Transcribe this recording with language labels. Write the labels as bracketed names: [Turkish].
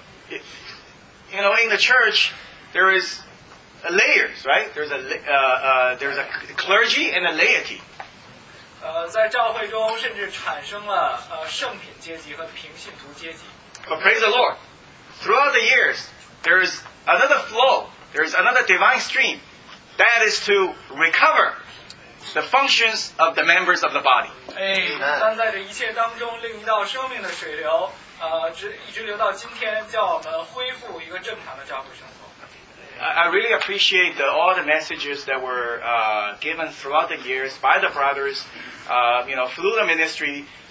[English] You know, in the church, there is layers, right? There's a clergy and a laity. [Chinese] 在教会中甚至产生了圣品阶级和平信徒阶级。 [English] But praise the Lord, throughout the years, there is another flow, there is another divine stream, that is to recover the functions of the members of the body. I really appreciate all the messages that were given throughout the years by the brothers, you know, through the ministry.